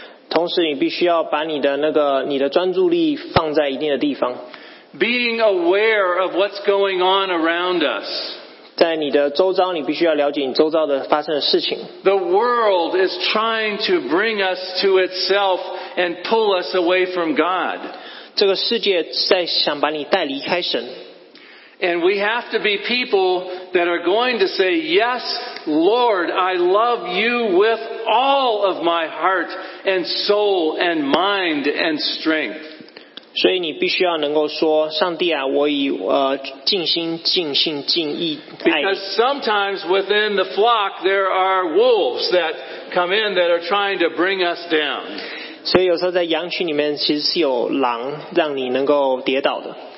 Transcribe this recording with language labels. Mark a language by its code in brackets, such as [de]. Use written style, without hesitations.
[zh] 同时你必须要把你的那个你的专注力放在一定的地方。 [en] Being aware of what's going on around us. [zh] 在你的周遭，你必须要了解你周遭的发生的事情。 [en] The world is trying to bring us to itself and pull us away from God. [zh] 这个世界在想把你带离开神。 [en] And we have to be people that are going to say, Yes, Lord, I love you with all of my heart and soul and mind and strength. [zh] 所以你必须要能够说，上帝啊，我以尽心、尽性、尽意爱你。 [en] Because sometimes within the flock there are wolves that come in that are trying to bring us down. [zh] 所以有时候在羊群里面其实是有狼让你能够跌倒的。